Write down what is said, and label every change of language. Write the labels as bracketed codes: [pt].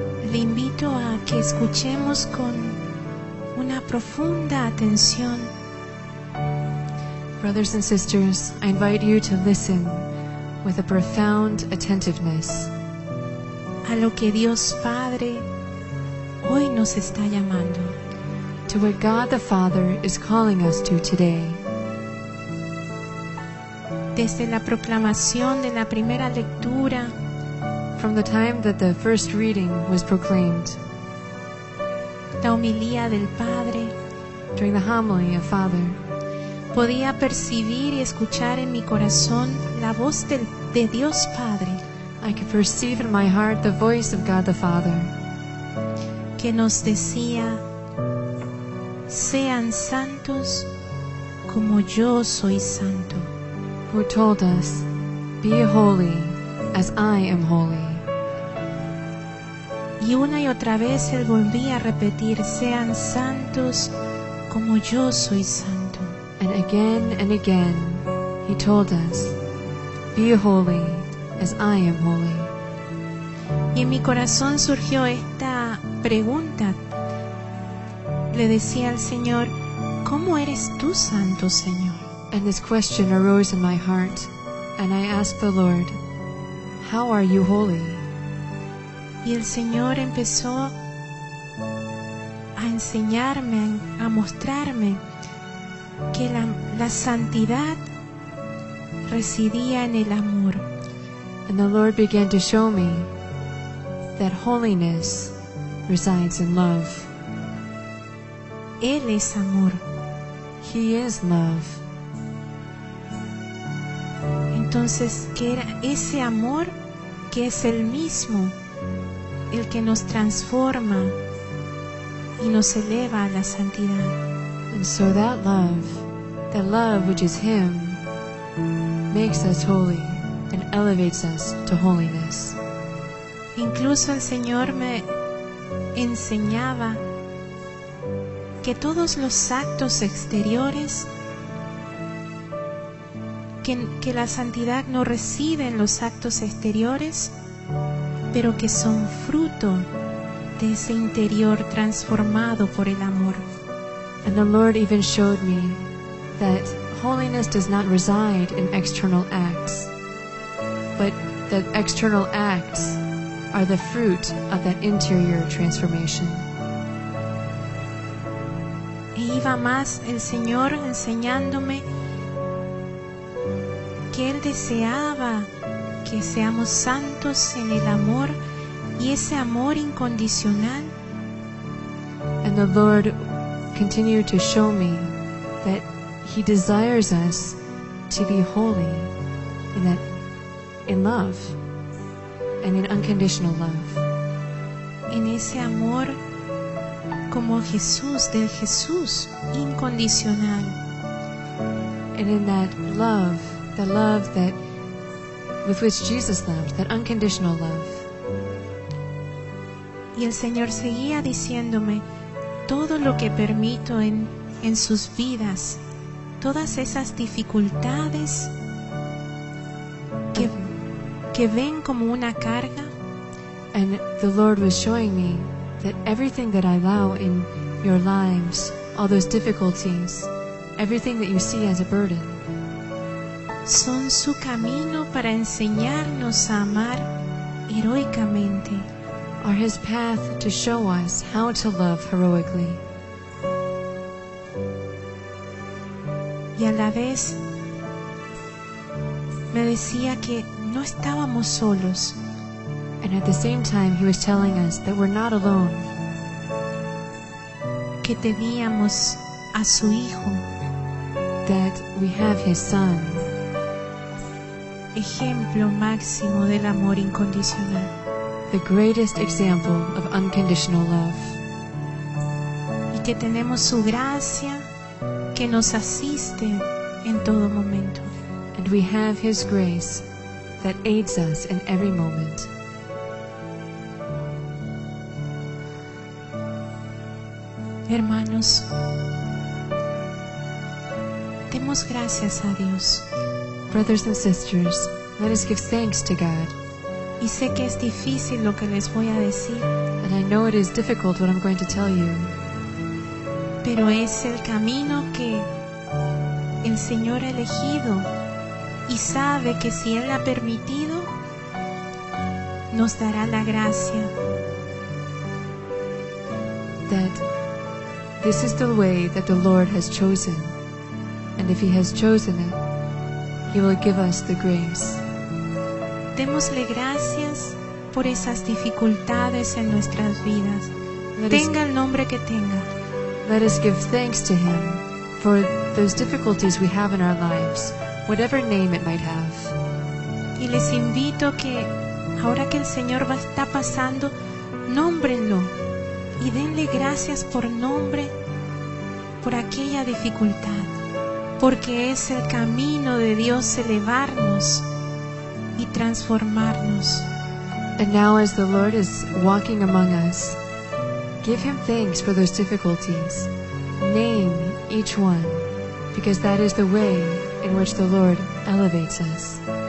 [es] le invito a que escuchemos con una profunda atención. [en] Brothers and sisters, I invite you to listen with a profound attentiveness. [es] A lo que Dios Padre hoy nos está llamando. [en] To what God the Father is calling us to today. [es] Desde la proclamación de la primera lectura. [en] From the time that the first reading was proclaimed. [es] La homilía del Padre. [en] During the homily of Father. [es] Podía percibir y escuchar en mi corazón la voz de Dios Padre. [en] I could perceive in my heart the voice of God the Father. [es] Que nos decía, sean santos como yo soy santo. [en] Who told us, be holy as I am holy. [es] Y una y otra vez él volvía a repetir, sean santos como yo soy santo. [en] And again, he told us, be holy as I am holy. [es] Y en mi corazón surgió esta pregunta. Le decía al Señor, ¿cómo eres tú santo, Señor? [en] And this question arose in my heart, and I asked the Lord, how are you holy? [es] Y el Señor empezó a enseñarme, a mostrarme que la santidad residía en el amor. [en] And the Lord began to show me that holiness resides in love. [es] Él es amor. [en] He is love. [es] Entonces, ¿qué era ese amor que es el mismo, el que nos transforma y nos eleva a la santidad? [en] And so that love, the love which is Him, makes us holy and elevates us to holiness. [es] Incluso el Señor me enseñaba que todos los actos exteriores, que la santidad no reside en los actos exteriores, pero que son fruto de ese interior transformado por el amor. [en] And the Lord even showed me that holiness does not reside in external acts, but that external acts are the fruit of that interior transformation. [es] E iba más el Señor enseñándome que Él deseaba que seamos santos en el amor y ese amor incondicional. [en] And the Lord continued to show me that He desires us to be holy in love and in unconditional love. [es] En ese amor como Jesús, del Jesús incondicional. [en] And in that love, the love that with which Jesus loved, that unconditional love. [es] Y el Señor seguía diciéndome, todo lo que permito en sus vidas, todas esas dificultades que ven como una carga. [en] And the Lord was showing me that everything that I allow in your lives, all those difficulties, everything that you see as a burden, [es] son su camino para enseñarnos a amar heroicamente. [en] Are His path to show us how to love heroically. [es] Y a la vez me decía que no estábamos solos. [en] And at the same time He was telling us that we're not alone. [es] Que teníamos a su Hijo. [en] That we have His Son. [es] Ejemplo máximo del amor incondicional. [en] The greatest example of unconditional love. [es] Y que tenemos su gracia que nos asiste en todo momento. [en] And we have His grace that aids us in every moment. [es] Hermanos, demos gracias a Dios. [en] Brothers and sisters, let us give thanks to God. [es] Y sé que es difícil lo que les voy a decir. [en] And I know it is difficult what I'm going to tell you. [es] Pero es el camino que el Señor ha elegido y sabe que si Él ha permitido, nos dará la gracia. [en] That this is the way that the Lord has chosen, and if He has chosen it, He will give us the grace. [es] Démosle gracias por esas dificultades en nuestras vidas. Tenga el nombre que tenga. [en] Let us give thanks to Him for those difficulties we have in our lives, whatever name it might have. [es] Y les invito que ahora que el Señor va a estar pasando, nómbrenlo y denle gracias por nombre por aquella dificultad, porque es el camino de Dios elevarnos y transformarnos. [en] And now as the Lord is walking among us, give Him thanks for those difficulties. Name each one, because that is the way in which the Lord elevates us.